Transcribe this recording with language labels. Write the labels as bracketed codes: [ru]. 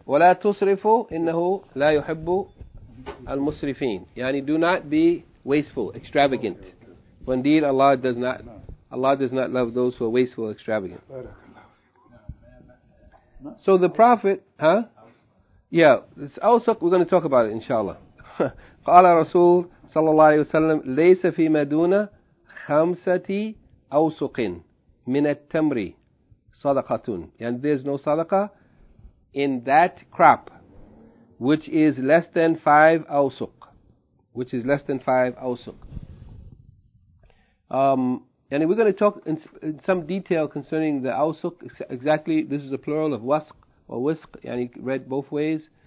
[ar] وَلَا تُصْرِفُ إِنَّهُ لَا يُحِبُّ الْمُصْرِفِينَ. [en] Yani do not be wasteful, extravagant. Okay. For indeed Allah does not love those who are wasteful, extravagant. So the Prophet, huh? Yeah, it's also, we're going to talk about it, inshallah. [ar] قال رسول صلى الله عليه وسلم ليس في مدونة خمسة أوسق من التمر صدقة. [en] And there's no صدقة in that crop which is less than 5 أوسق. Which is less than 5 أوسق. And we're going to talk in some detail concerning the أوسق. Exactly, this is a plural of وسق. Or whisk, yani read both ways.